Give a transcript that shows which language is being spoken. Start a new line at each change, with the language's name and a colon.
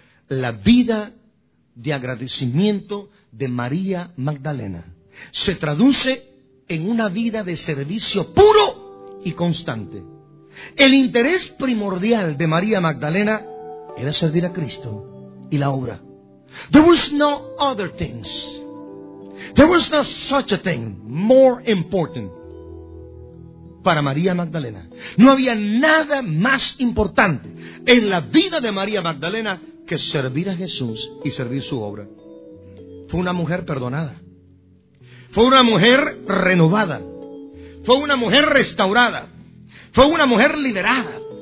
Spanish: La vida de agradecimiento de María Magdalena se traduce en una vida de servicio puro y constante. El interés primordial de María Magdalena era servir a Cristo y la obra.
English: There was no other things. There was no such a thing more important
Spanish: para María Magdalena. No había nada más importante en la vida de María Magdalena que servir a Jesús y servir su obra. Fue una mujer perdonada. Fue una mujer renovada. Fue una mujer restaurada. Fue una mujer liberada.